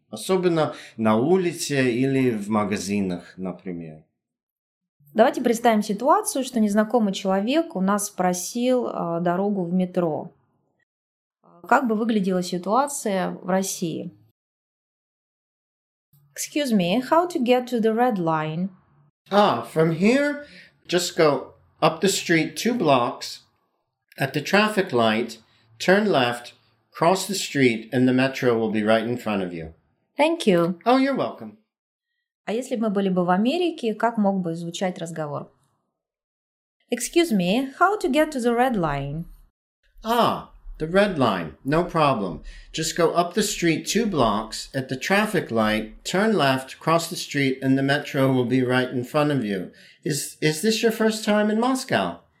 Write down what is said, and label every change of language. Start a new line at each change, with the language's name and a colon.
Russian: Особенно на улице или в магазинах, например. Давайте представим ситуацию, что незнакомый человек у нас спросил дорогу в метро. Как бы выглядела ситуация в России?
English: Excuse me, how to get to the red line? Ah, from here, just go up the street 2 blocks, at the traffic light, turn left, cross the street, and the metro will be right in front of you. Thank you. Oh, you're welcome.
Russian: А если бы мы были бы в Америке, как мог бы звучать разговор?
English: Excuse me, how to get to the red line? Ah, the red line, no problem. Just go up the street 2 blocks, at the traffic light, turn left, cross the street, and the metro will be right in front of you. Is this your first time in Moscow?